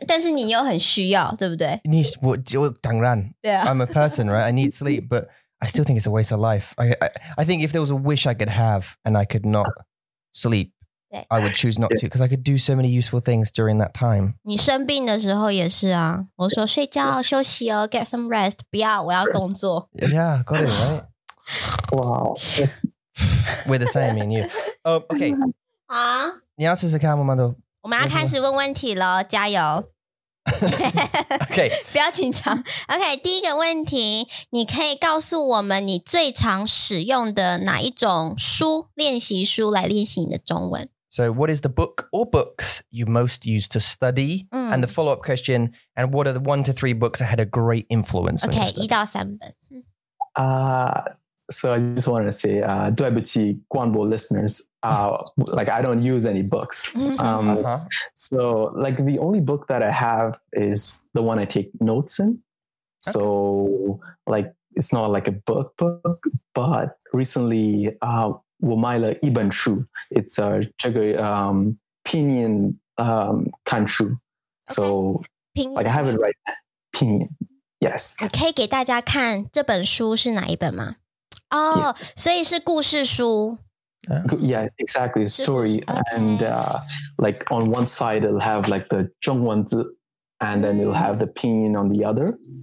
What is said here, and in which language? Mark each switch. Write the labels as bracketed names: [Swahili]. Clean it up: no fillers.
[Chinese] 但是你又很需要，对不对？你我我当然。对啊。 [English] I'm a person, right? I need sleep, but I still think it's a waste of life. I think if there was a wish I could have and I could not sleep, I would choose not to because I could do so many useful things during that time. [Chinese] 你生病的时候也是啊。我说睡觉休息哦， [English] get some rest. [Chinese] 不要，我要工作。 [English] Yeah, got it right. Wow. We're the same, me and you. Okay. [Chinese] 啊。你要试试看，我们都。我们要开始问问题了，加油！ [English] OK， [Chinese] 不要紧张。OK， 第一个问题，你可以告诉我们你最常使用的哪一种书练习书来练习你的中文 [English] ？So, what is the book or books you most use to study？ And the follow-up question: And what are the 1 to 3 books that had a great influence？ [Chinese] OK， 一到三本。 [English] So I just want to say, [Chinese] 对不起, [English] Guanbo listeners, like I don't use any books. So like the only book that I have is the one I take notes in. So like, it's not like a book, but recently [Chinese] 我买了一本书. [English] It's a [Chinese] 这个 pinyin kanshu. [English] So okay. Like I have it right now. Pinyin. Yes. [Chinese] 你可以给大家看这本书是哪一本吗? [English] Oh, yes. [Chinese] 所以是故事书. [English] Yeah, exactly. Story. Okay. And like on one side it'll have like the 中文字, and then it'll have the pinyin on the other.